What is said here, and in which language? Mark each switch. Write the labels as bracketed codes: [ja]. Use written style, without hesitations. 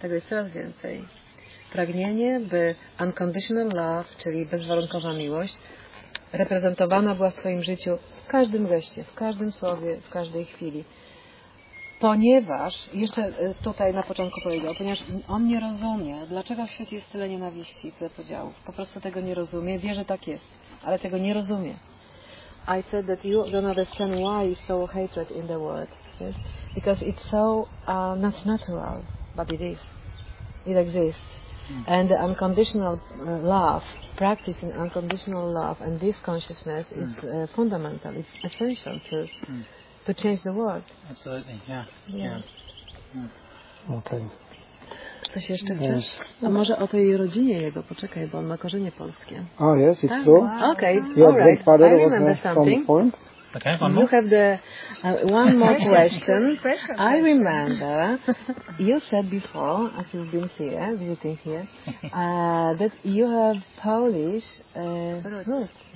[pl] Tego jest coraz więcej. Pragnienie, by [en] unconditional love, [pl] czyli bezwarunkowa miłość, reprezentowana była w twoim życiu w każdym geście, w każdym słowie, w każdej chwili. Ponieważ, jeszcze tutaj na początku powiedział, ponieważ on nie rozumie, dlaczego w świecie jest tyle nienawiści, tyle podziałów. Po prostu tego nie rozumie, wie, że tak jest, ale tego nie rozumie. [en] I said that you don't understand why is so hatred in the world. Yes? Because it's so not natural, but it is. It exists. And the unconditional love, practicing unconditional love and this consciousness is fundamental, it's essential to change the world. Absolutely, yeah. Okay. [pl] Coś jeszcze chcesz? A może o tej rodzinie jego, poczekaj, bo on ma korzenie polskie. [en] Oh yes, it's true. Okay, your all right. Grandfather was from the farm. Okay, one more. You have the one more question. I remember you said before, as you've been here, visiting here, that you have Polish roots.